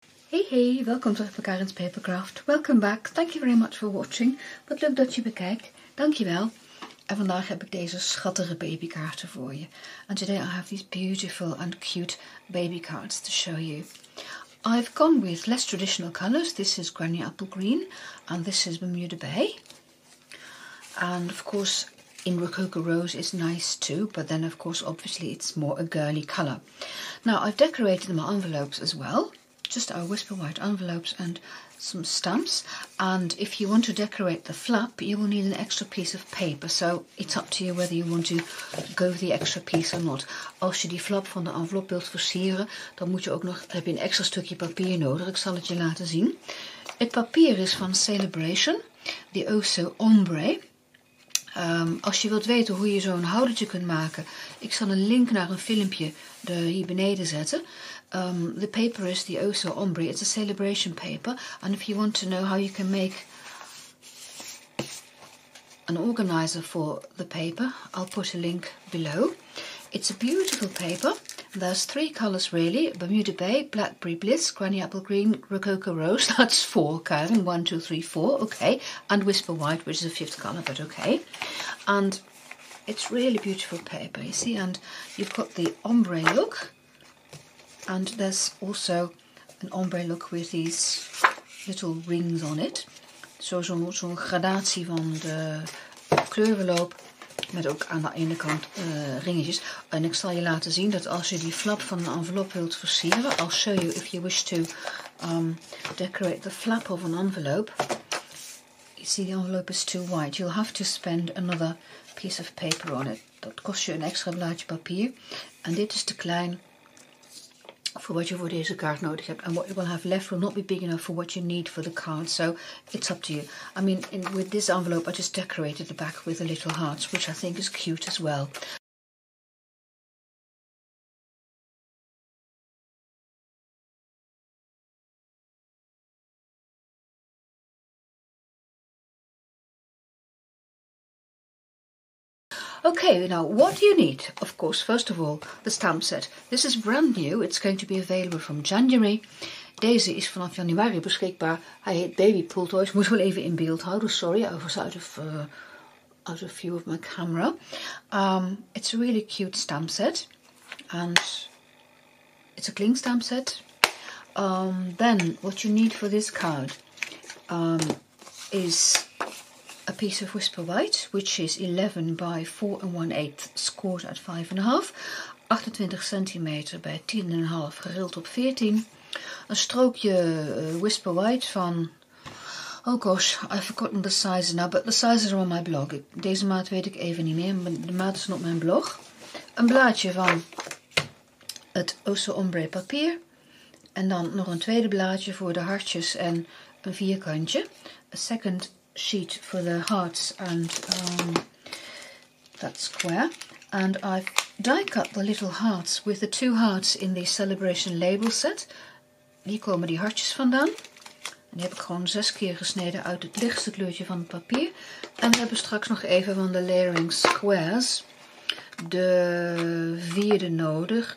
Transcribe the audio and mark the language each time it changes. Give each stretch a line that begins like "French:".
Dutch: Hey, hey, welkom terug bij Karin's Papercraft.
English: Welcome back, thank you very much for watching.
Dutch: Wat leuk dat je bekijkt, dankjewel. En vandaag heb ik deze schattige babykaarten voor je.
English: And today I have these beautiful and cute baby cards to show you. I've gone with less traditional colours. This is Granny Apple Green and this is Bermuda Bay. And of course, in Rococo Rose is nice too, but then of course, obviously it's more a girly colour. Now, I've decorated my envelopes as well. Just our whisper white envelopes and some stamps. And if you want to decorate the flap, you will need an extra piece of paper. So it's up to you whether you want to go with the extra piece or not.
Dutch: Als je die flap van de envelop wilt versieren, dan moet je ook nog, heb je een extra stukje papier nodig. Ik zal het je laten zien. Het papier is van Celebration, de Oso Ombre. Als je wilt weten hoe je zo'n houdertje kunt maken, ik zal een link naar een filmpje hier beneden zetten.
English: The paper is the Oso Ombre. It's a celebration paper. And if you want to know how you can make an organizer for the paper, I'll put a link below. It's a beautiful paper. There's three colors really. Bermuda Bay, Blackberry Bliss, Granny Apple Green, Rococo Rose. That's four, Karin. One, two, three, four. Okay. And Whisper White, which is a fifth color, but okay. And it's really beautiful paper, you see. And you've got the ombre look. And there's also an ombre look with these little rings on it.
Dutch: Zo zo'n gradatie van de kleurenloop met ook aan de ene kant ringetjes. En ik zal je laten zien dat als je die flap van de envelop wilt versieren,
English: I'll show you if you wish to decorate the flap of an envelope. You see, the envelope is too white. You'll have to spend another piece of paper on it.
Dutch: Dat kost je een extra blaadje papier. En dit is te klein
English: for what you for
Dutch: deze card nodig hebt.
English: And what you will have left will not be big enough for what you need for the card. So it's up to you. I mean, with this envelope, I just decorated the back with the little hearts, which I think is cute as well. Okay, now what do you need? Of course, first of all, the stamp set. This is brand new. It's going to be available from January.
Dutch: Deze is vanaf januari beschikbaar. Hij heet Baby Pool Toys. Moet wel even in beeld houden.
English: Sorry, I was out of view of my camera. It's a really cute stamp set. And it's a cling stamp set. Then what you need for this card is a piece of Whisper White, which is 11 by 4 and 1/8, scored at 5.5, 28 centimeter by 10.5,
Dutch: gerild op 14. Een strookje Whisper White van,
English: oh gosh, I've forgotten the size now, but the sizes are on my blog.
Dutch: Deze maat weet ik even niet meer, maar de maat is op mijn blog. Een blaadje van het Oso Ombre papier. En dan nog een tweede blaadje voor de hartjes en een vierkantje.
English: A second sheet for the hearts and that square, and I've die cut the little hearts with the two hearts in the celebration label set.
Dutch: Hier komen die hartjes vandaan. En die heb ik gewoon zes keer gesneden uit het lichtste kleurtje van het papier. En we hebben straks nog even van de layering squares de vierde nodig.